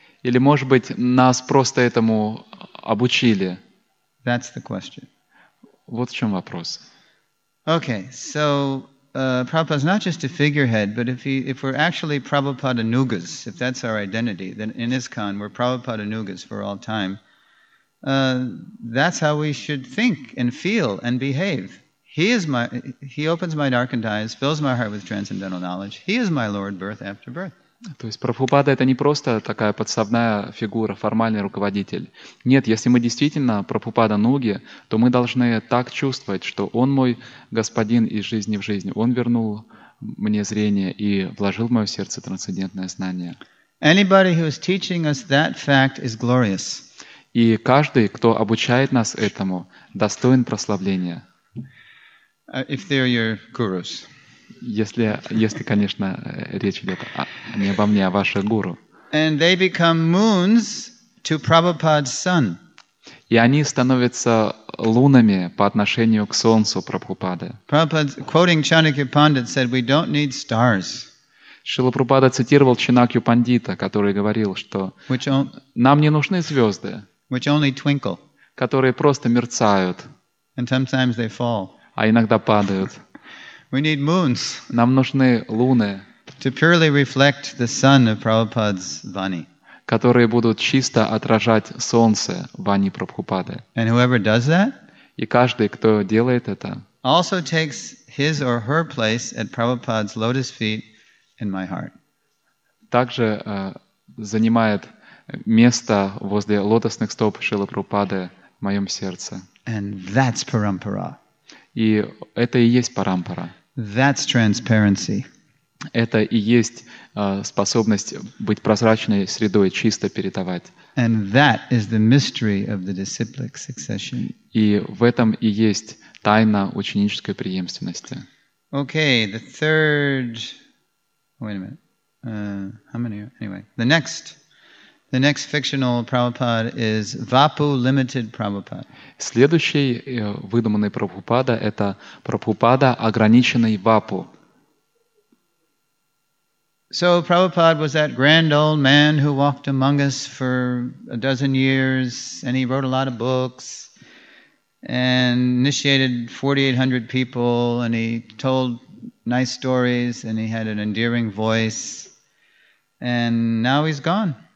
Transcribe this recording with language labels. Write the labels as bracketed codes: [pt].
[ru] Или, может быть, нас просто этому обучили? [en] That's the question. [ru] Вот в чем вопрос. [en] Okay, so Prabhupada is not just a figurehead, but if we're actually Prabhupada Nugas, if that's our identity, then in ISKCON we're Prabhupada Nugas for all time. That's how we should think and feel and behave. He opens my darkened eyes, fills my heart with transcendental knowledge. He is my Lord, birth after birth. [ru] То есть Прабхупада — это не просто такая подставная фигура, формальный руководитель. Нет, если мы действительно Прабхупада Нуги, то мы должны так чувствовать, что Он мой Господин из жизни в жизнь. Он вернул мне зрение и вложил в мое сердце трансцендентное знание. [en] Anybody who is teaching us that fact is glorious. [ru] И каждый, кто обучает нас этому, достоин прославления. [en] If they're your gurus. [ru] Если, конечно, речь идет не обо мне, а о ваших гуру. [en] And they become moons to Prabhupada's sun. [ru] И они становятся лунами по отношению к солнцу Прабхупады. [en] Prabhupada, quoting Chanakya Pandit, said, "We don't need stars." [ru] Шрила Прабхупада цитировал Чанакью Пандита, который говорил, что нам не нужны звезды, [en] which only twinkle, [ru] которые просто мерцают, [en] and sometimes they fall, [ru] а иногда падают. [en] We need moons. [ru] Нам нужны луны. [en] To purely reflect the sun of Prabhupada's vani. [ru] Которые будут чисто отражать солнце вани Прабхупады. [en] And whoever does that, [ru] и каждый, кто делает это, [en] also takes his or her place at Prabhupada's lotus feet in my heart. [ru] Также занимает место возле лотосных стоп Шрилы Прабхупады в моем сердце. [en] And that's parampara. [ru] И это и есть парампара. [en] That's transparency. [ru] Это и есть способность быть прозрачной средой, чисто передавать. [en] And that is the mystery of the disciplic succession. [ru] И в этом и есть тайна ученической преемственности. [en] Okay, the third. Wait a minute. How many? Anyway, the next fictional Prabhupada is Vapu Limited Prabhupada. [ru] Следующий выдуманный Прабхупада — это Прабхупада, ограниченный Вапу. [en] So Prabhupada was that grand old man who walked among us for a dozen years, and he wrote a lot of books, and initiated 4,800 people, and he told nice stories, and he had an endearing voice, and now he's gone.